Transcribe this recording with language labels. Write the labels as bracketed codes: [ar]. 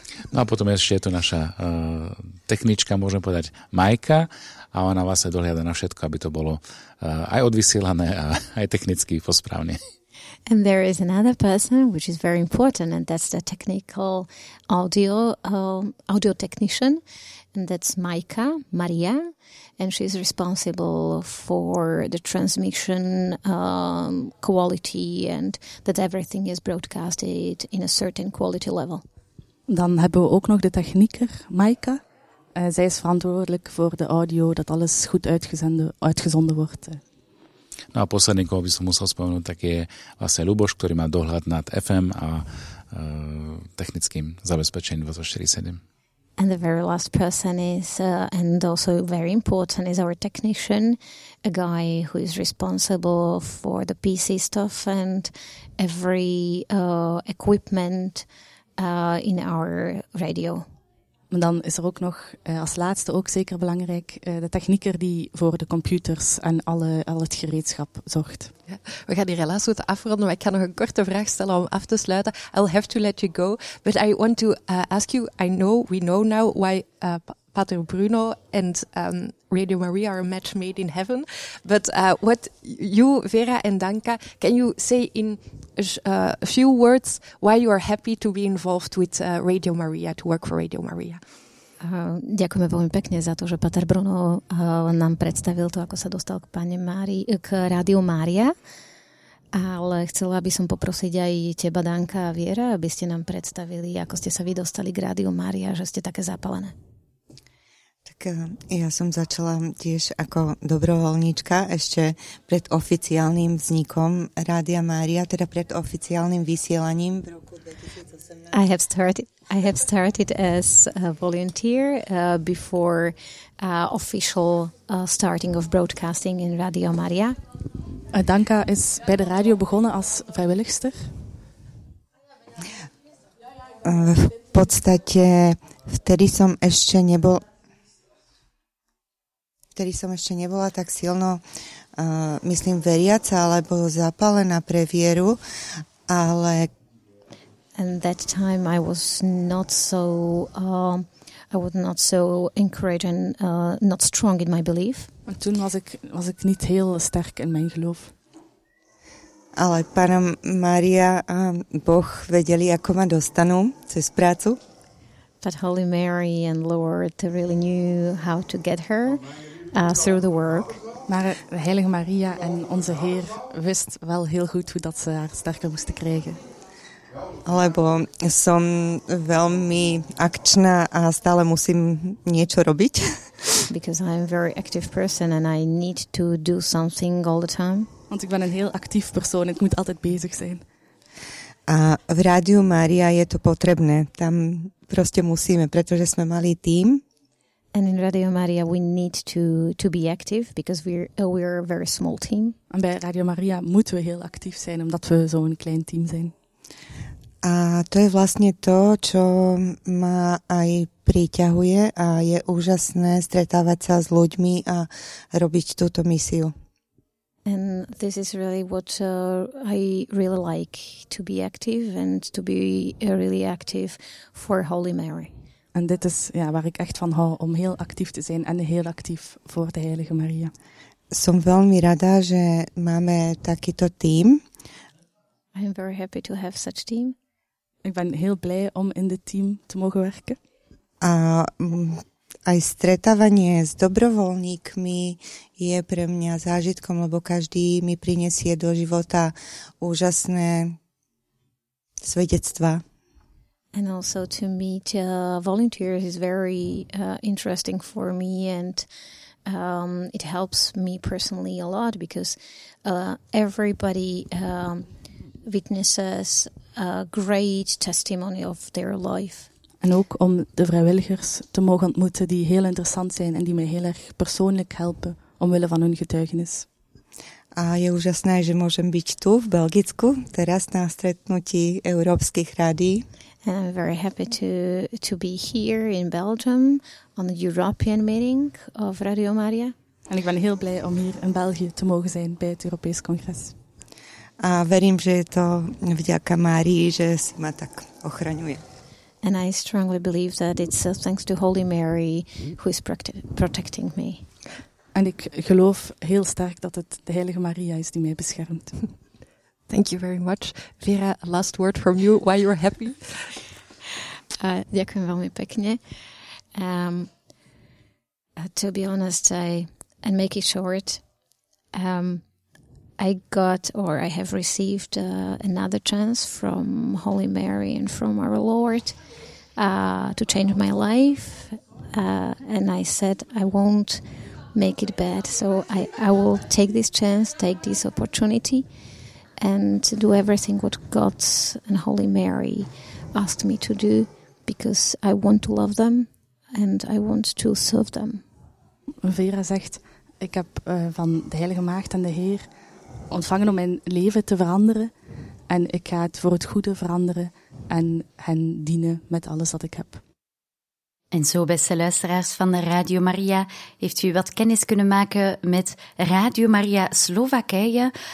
[sk] No a potom ešte je tu naša technička, môžem povedať, Majka, a ona vlastne dohliada na všetko, aby to bolo aj odvysielané a aj technicky posprávne. [en] And there is another person, which is very important, and that's the technical audio technician, and that's Maika Maria, and she's responsible for the transmission quality and that everything is broadcasted in a certain quality level. [nl] Dan hebben we ook nog de technieker, Maika. Zij is verantwoordelijk voor de audio, dat alles goed uitgezonden wordt. [sk] No a posledný, koho by som musel spomenúť, tak je vlastne Ľuboš, ktorý má dohľad nad FM a technickým zabezpečením 24/7. [en] And the very last person is, and also very important, is our technician, a guy who is responsible for the PC stuff and every equipment in our radio. [nl] Maar dan is er ook nog als laatste ook zeker belangrijk de technieker die voor de computers en al het gereedschap zorgt. Ja, we gaan hier helaas moeten afronden, maar ik ga nog een korte vraag stellen om af te sluiten. [en] I'll have to let you go, but I want to ask you, we know now why Pater Bruno and Radio Maria are a match made in heaven, but what you, Vera and Danka, can you say in few words why you are happy to be involved with Radio Maria, to work for Radio Maria. [sk] Ďakujeme veľmi pekne za to, že Pater Bruno nám predstavil to, ako sa dostal k Pane Mári, k Rádiu Mária. Ale chcela by som poprosiť aj teba, Danka a Viera, aby ste nám predstavili, ako ste sa vy dostali k Rádiu Mária, že ste také zapálené. Tak ja som začala tiež ako dobrovoľníčka ešte pred oficiálnym vznikom Rádia Mária, teda pred oficiálnym vysielaním v roku 2018. [en] I have started as a volunteer before official starting of broadcasting in Radio Maria. [nl] Danka is bij de radio begonnen als vrijwilligster. [sk] V podstate vtedy som ešte nebol nebola tak silno myslím veriaca alebo zapálená pre vieru, ale [en] and that time I was not so I was not so encouraged and not strong in my belief. [nl] En toen was ik niet heel sterk in mijn geloof. [sk] Ale Pana Maria a Boh vedeli, ako ma dostanú cez prácu. [en] But Holy Mary and Lord really knew how to get her through the work. [nl] Maar de Heilige Maria en onze Heer wist wel heel goed hoe dat ze haar sterker moesten krijgen. [sk] Lebo som veľmi akčná a stále musím niečo robiť. [en] Because I am a very active person and I need to do something all the time. [nl] Want ik ben een heel actief persoon, ik moet altijd bezig zijn. [sk] A v Rádiu Mária je to potrebné. Tam proste musíme, pretože sme malý tím. [en] And in Radio Maria we need to be active because we're a very small team. [nl] En bij Radio Maria moeten we heel actief zijn omdat we zo'n klein team zijn. [sk] A to je vlastne to, čo ma aj priťahuje a je úžasné stretávať sa s ľuďmi a robiť túto misiu. [en] And this is really what I really like, to be active and to be really active for Holy Mary. [nl] En dit is ja, waar ik echt van hou, om heel actief te zijn en heel actief voor de Heilige Maria. [sk] Som veľmi rada, že máme takýto tím. [en] I am very happy to have such team. [nl] Ik ben heel blij om in dit team te mogen werken. [sk] Aj stretávanie s dobrovoľníkmi je pre mňa zážitkom, lebo každý mi prinesie do života úžasné svedectvá. [en] And also to meet volunteers is very interesting for me and it helps me personally a lot because everybody witnesses a great testimony of their life. [nl] En ook om de vrijwilligers te mogen ontmoeten die heel interessant zijn en die mij heel erg persoonlijk helpen omwille van hun getuigenis. [sk] A je úžasné, že môžem byť tu v Belgicku, teraz na stretnutí európskych rádií. [en] And I'm very happy to be here in Belgium on the European meeting of Radio Maria. [nl] En ik ben heel blij om hier in België te mogen zijn bij het Europees Congres. [sk] A verím, že je to vďaka Márii, že si ma tak ochraňuje. [en] And I strongly believe that it's thanks to Holy Mary who is protecting me. [nl] En ik geloof heel sterk dat het de Heilige Maria is die mij beschermt. [en] Thank you very much. Vera, last word from you, why you're happy. [sk] Ďakujem veľmi pekne. [en] To be honest, and make it short, I got or I have received another chance from Holy Mary and from our Lord to change my life. And I said, I won't make it bad. So I will take this chance, take this opportunity and do everything what God and Holy Mary asked me to do because I want to love them and I want to serve them. [nl] Vera zegt, ik heb van de Heilige Maagd en de Heer ontvangen om mijn leven te veranderen en ik ga het voor het goede veranderen en hen dienen met alles wat ik heb. En zo, beste luisteraars van Radio Maria, heeft u wat kennis kunnen maken met Radio Maria Slowakije.